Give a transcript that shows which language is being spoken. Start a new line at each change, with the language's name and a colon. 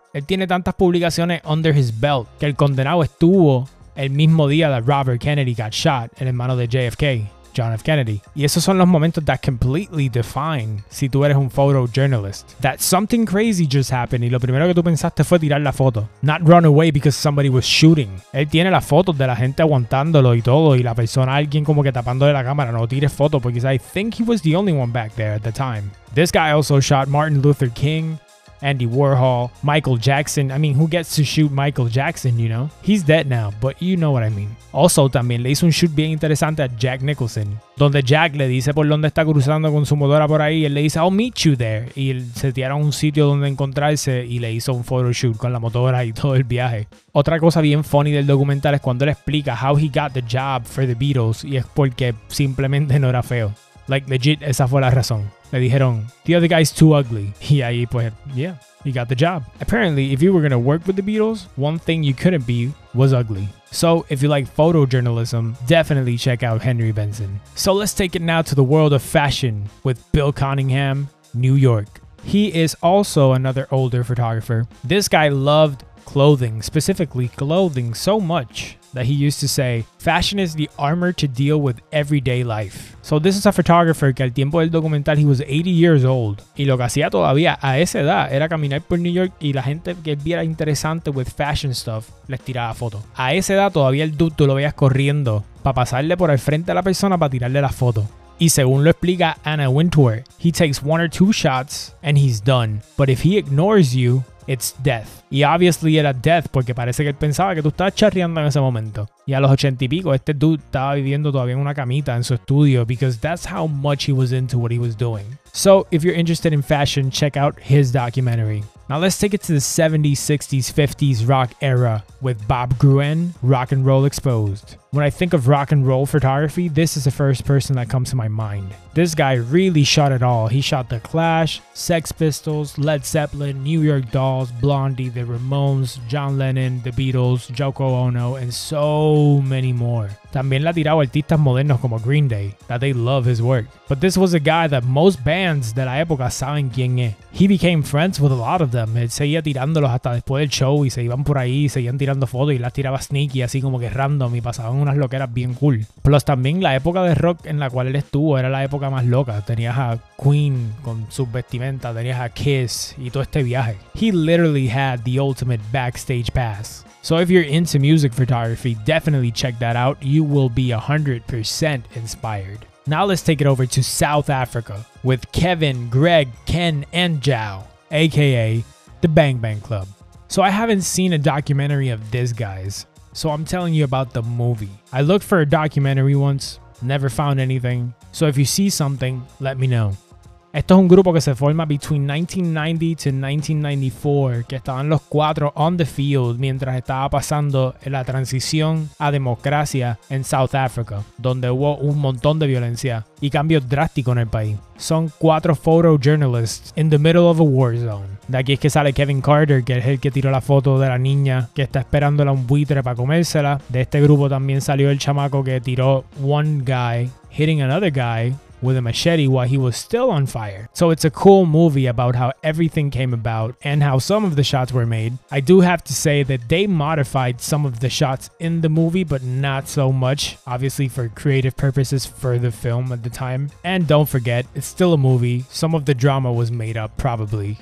Spanish: Él tiene tantas publicaciones
English: under his belt
Spanish: que el condenado estuvo el mismo día
English: that Robert Kennedy got shot,
Spanish: el hermano de JFK. John F. Kennedy. Y esos son los momentos
English: that completely define
Spanish: si tú eres un photojournalist.
English: That something crazy just happened
Spanish: y lo primero que tú pensaste fue tirar la foto.
English: Not run away because somebody was shooting.
Spanish: Él tiene las fotos de la gente aguantándolo y todo, y la persona, alguien como que tapándole la cámara, no tires foto,
English: because I think he was the only one back there at the time. This guy also shot Martin Luther King, Andy Warhol, Michael Jackson. I mean, who gets to shoot Michael Jackson, you know? He's dead now, but you know what I mean.
Spanish: Also, también le hizo un shoot bien interesante a Jack Nicholson, donde Jack le dice por dónde está cruzando con su motora por ahí, y él le dice,
English: I'll meet you there.
Spanish: Y él se tiraron un sitio donde encontrarse y le hizo un photo shoot con la motora y todo el viaje. Otra cosa bien funny del documental es cuando él explica
English: how he got the job for the Beatles,
Spanish: y es porque simplemente no era feo.
English: Like, legit,
Spanish: esa fue la razón. Le dijeron,
English: the other guy's too ugly.
Spanish: Y ahí pues,
English: yeah, he got the job. Apparently, if you were gonna work with the Beatles, one thing you couldn't be was ugly. So, if you like photojournalism, definitely check out Henry Benson. So, let's take it now to the world of fashion with Bill Cunningham, New York. He is also another older photographer. This guy loved clothing, specifically clothing, so much that he used to say, fashion is the armor to deal with everyday life. So this is a photographer
Spanish: que al tiempo del documental
English: he was 80 years old.
Spanish: Y lo que hacía todavía a esa edad era caminar por New York y la gente que viera interesante
English: with fashion stuff
Spanish: les tiraba fotos. A esa edad todavía el dude tú lo veías corriendo para pasarle por el frente a la persona para tirarle la foto. Y según lo explica
English: Anna Wintour, he takes one or two shots and he's done. But if he ignores you, it's death.
Spanish: Y obviously era death porque parece que él pensaba que tú estabas charreando en ese momento. Y a los 80 y pico, este dude estaba viviendo todavía en una camita en su estudio,
English: because that's how much he was into what he was doing. So if you're interested in fashion, check out his documentary. Now let's take it to the 70s, 60s, 50s rock era with Bob Gruen, Rock and Roll Exposed. When I think of rock and roll photography, this is the first person that comes to my mind. This guy really shot it all. He shot The Clash, Sex Pistols, Led Zeppelin, New York Dolls, Blondie, The Ramones, John Lennon, The Beatles, Yoko Ono, and so many more.
Spanish: También la tirado artistas modernos como Green Day,
English: that they love his work. But this was a guy that most bands
Spanish: de la época saben quién es.
English: He became friends with a lot of them.
Spanish: Él seguía tirándolos hasta después del show y se iban por ahí y seguían tirando fotos y las tiraba sneaky así como que random y pasaban unas loqueras bien cool. Plus también la época de rock en la cual él estuvo era la época más loca. Tenías a Queen con sus vestimentas, tenías a Kiss y todo este viaje.
English: He literally had the ultimate backstage pass. So if you're into music photography, definitely check that out. You will be 100% inspired. Now let's take it over to South Africa with Kevin, Greg, Ken, and Jao, aka the Bang Bang Club. So I haven't seen a documentary of these guys, so I'm telling you about the movie. I looked for a documentary once, never found anything. So if you see something, let me know.
Spanish: Esto es un grupo que se forma
English: between 1990 to 1994,
Spanish: que estaban los cuatro
English: on the field
Spanish: mientras estaba pasando la transición a democracia en South Africa, donde hubo un montón de violencia y cambios drásticos en el país. Son cuatro
English: photojournalists in the middle of a war zone.
Spanish: De aquí es que sale Kevin Carter, que es el que tiró la foto de la niña que está esperándola a un buitre para comérsela. De este grupo también salió el chamaco que tiró
English: one guy hitting another guy with a machete while he was still on fire. So it's a cool movie about how everything came about and how some of the shots were made. I do have to say that they modified some of the shots in the movie, but not so much, obviously for creative purposes for the film at the time. And don't forget, it's still a movie. Some of the drama was made up, probably.